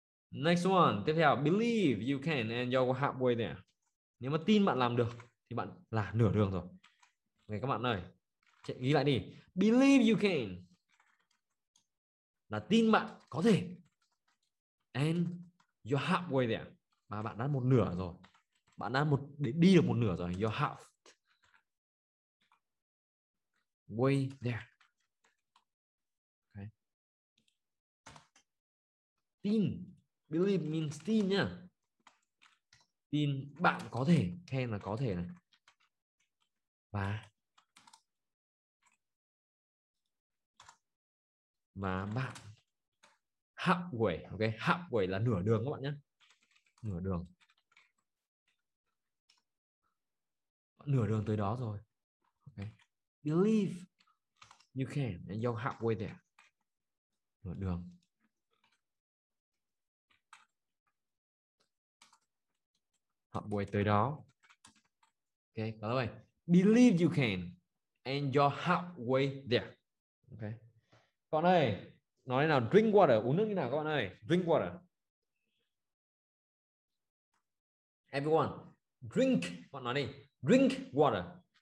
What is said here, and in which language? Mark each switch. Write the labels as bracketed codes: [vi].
[en] Next one, [vi] tiếp theo, [en] believe you can and you're halfway there. [vi] Nếu mà tin bạn làm được thì bạn là nửa đường rồi. Okay, các bạn ơi, ghi lại đi. [en] Believe you can [vi] là tin bạn có thể. [en] And you're halfway there. [vi] Mà bạn đã một nửa rồi. Bạn đã đi được một nửa rồi. [en] You're halfway there. Okay. [vi] Tin. Believe means tin nhá. Tin bạn có thể. Can là có thể này. Và bạn halfway, ok, halfway là nửa đường các bạn nhé, nửa đường tới đó rồi. [en] Ok, believe you can and you're halfway there, [vi] nửa đường. [en] Halfway tới đó. Ok, có rồi, believe you can and you're halfway there. [vi] Ok, còn đây nói thế nào, [en] drink water, [vi] uống nước như nào các bạn ơi, drink water. [en] Everyone, drink, [vi] bạn nói đi, [en] drink water.